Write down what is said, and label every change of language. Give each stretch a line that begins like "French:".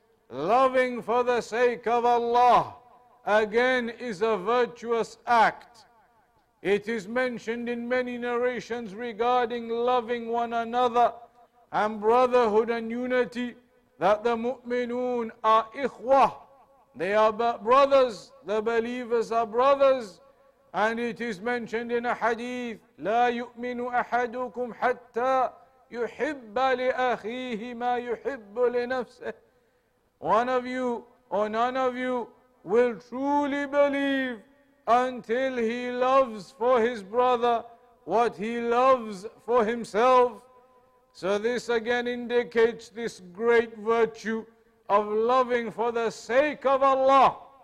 English: Loving for the sake of Allah, again, is a virtuous act. It is mentioned in many narrations regarding loving one another and brotherhood and unity, that the mu'minun are ikhwah, they are brothers, the believers are brothers. And it is mentioned in a hadith,
Arabic: لا يؤمن أحدكم حتى يحب لأخيه ما يحب لنفسه.
English: One of you or none of you will truly believe until he loves for his brother what he loves for himself. So this again indicates this great virtue of loving for the sake of Allah.